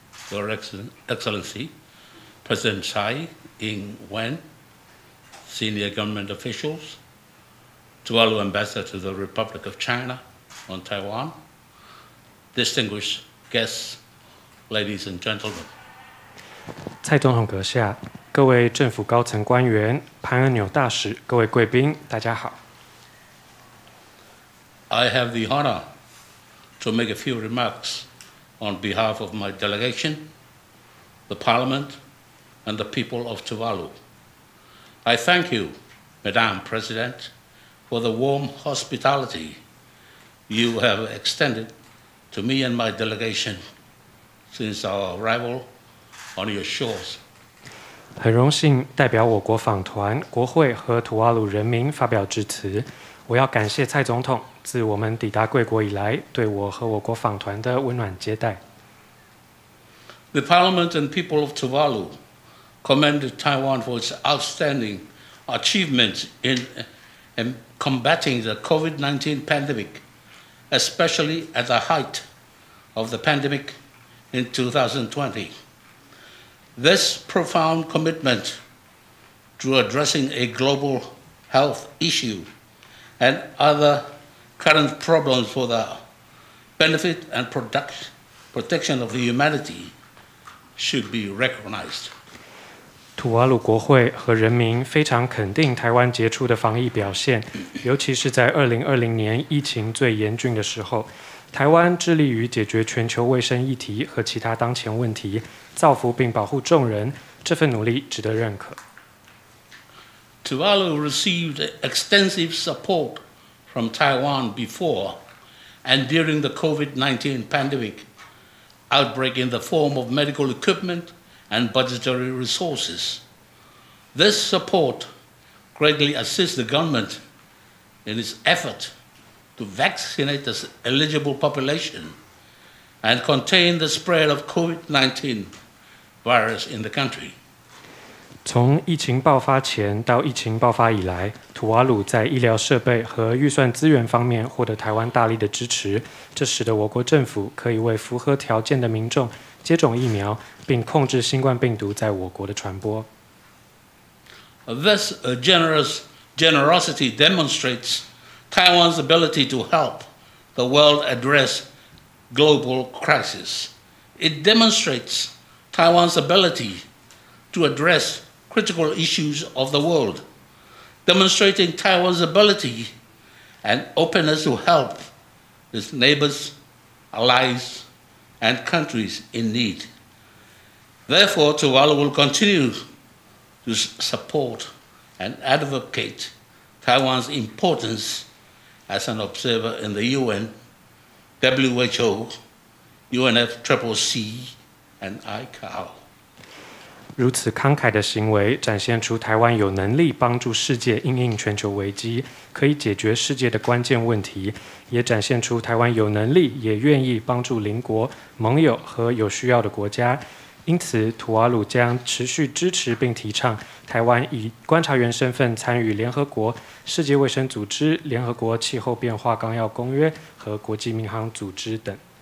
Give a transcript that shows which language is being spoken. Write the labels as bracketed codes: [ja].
[en] Your Excellency, President Tsai Ing-wen, senior government officials, Tuvalu Ambassador to the Republic of China on Taiwan, distinguished guests, ladies and gentlemen. [zh] 蔡總統閣下，各位政府高層官員，潘恩纽大使，各位貴賓，大家好。 [en] I have the honor to make a few remarks on behalf of my delegation. The Parliament and the people of Tuvalu. I thank you, Madam President, for the warm hospitality you have extended to me and my delegation since our arrival on your shores. [zh] 很荣幸代表我国访团、国会和土瓦鲁人民发表致辞。我要感谢蔡总统自我们抵达贵国以来对我和我国访团的温暖接待。 [en] The Parliament and people of Tuvalu commended Taiwan for its outstanding achievements in combating the COVID-19 pandemic, especially at the height of the pandemic in 2020. This profound commitment to addressing a global health issue and other current problems for the benefit and protection of humanity. Should be recognized. [zh] 吐瓦鲁国会和人民非常肯定台湾杰出的防疫表现，尤其是在2020年疫情最严峻的时候，台湾致力于解决全球卫生议题和其他当前问题，造福并保护众人，这份努力值得认可。 [en] Tuvalu received extensive support from Taiwan before and during the COVID-19 pandemic. Outbreak in the form of medical equipment and budgetary resources. This support greatly assists the government in its effort to vaccinate the eligible population and contain the spread of COVID-19 virus in the country. [zh] 从疫情爆发前到疫情爆发以来，吐瓦鲁在医疗设备和预算资源方面获得台湾大力的支持，这使得我国政府可以为符合条件的民众接种疫苗，并控制新冠病毒在我国的传播。 [en] This generosity demonstrates Taiwan's ability to help the world address global crisis. It demonstrates Taiwan's ability to address critical issues of the world. Demonstrating Taiwan's ability and openness to help its neighbors, allies, and countries in need. Therefore, Tuvalu will continue to support and advocate Taiwan's importance as an observer in the UN, WHO, UNFCCC, and ICAO. [zh] 如此慷慨的行为展现出台湾有能力帮助世界因应全球危机，可以解决世界的关键问题，也展现出台湾有能力也愿意帮助邻国、盟友和有需要的国家。因此，吐瓦鲁将持续支持并提倡台湾以观察员身份参与联合国、世界卫生组织、联合国气候变化纲要公约和国际民航组织等。